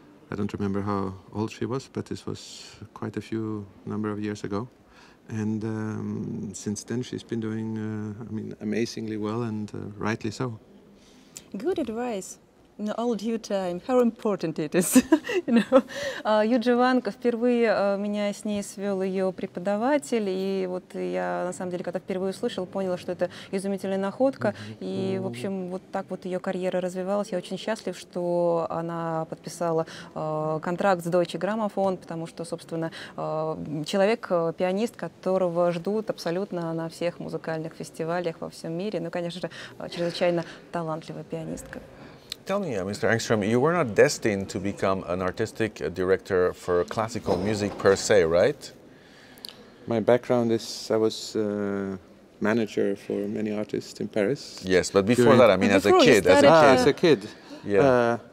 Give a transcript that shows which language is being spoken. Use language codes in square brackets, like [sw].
[en] I don't remember how old she was, but this was quite a few number of years ago. And since then she's been doing, amazingly well and rightly so. Good advice. In all due time, how important it is, you know. [ru] Юджи Ванка впервые меня с ней свел ее преподаватель, и вот я на самом деле, когда впервые услышал, поняла, что это изумительная находка, mm-hmm. и в общем вот так вот ее карьера развивалась. Я очень счастлив, что она подписала контракт с Deutsche Grammophon, потому что, собственно, человек, пианист, которого ждут абсолютно на всех музыкальных фестивалях во всем мире, ну, конечно же, чрезвычайно талантливая пианистка. [en] Tell me, Mr. Engström, you were not destined to become an artistic director for classical music per se, right? My background is I was a manager for many artists in Paris. Yes, but before that, I mean, as a kid. Yeah.